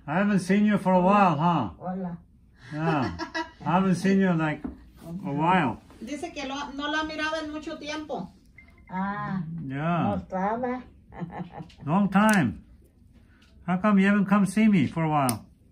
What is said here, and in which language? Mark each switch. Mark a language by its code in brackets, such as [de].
[en] I haven't seen you for a while, huh? [es] Hola. [en] Yeah. I haven't seen you like a while. [es] Dice que no la miraba en mucho tiempo. Ah. [en] Yeah. [es] No estaba. [en] Long time. How come you haven't come see me for a while?